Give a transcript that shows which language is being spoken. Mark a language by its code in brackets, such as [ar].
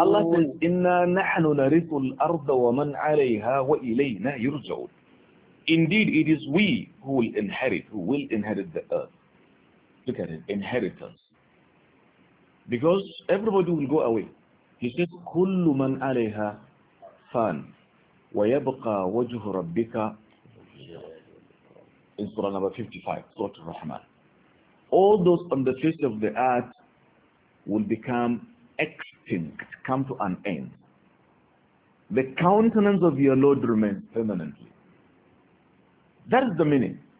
[en] Allah says, [ar] إِنَّا نَحْنُ نَرِثُ الْأَرْضَ وَمَنْ عَلَيْهَا وَإِلَيْنَا يُرْجَعُونَ. [en] Indeed, it is we who will inherit, the earth. Look at it, inheritance. Because everybody will go away. He says, [ar] كُلُّ مَنْ عَلَيْهَا فَانْ وَيَبْقَى وَجْهُ رَبِّكَ. [en] In Surah number 55, Surah Al-Rahman. All those on the face of the earth will become extinct, come to an end. The countenance of your Lord remains permanently. That is the meaning.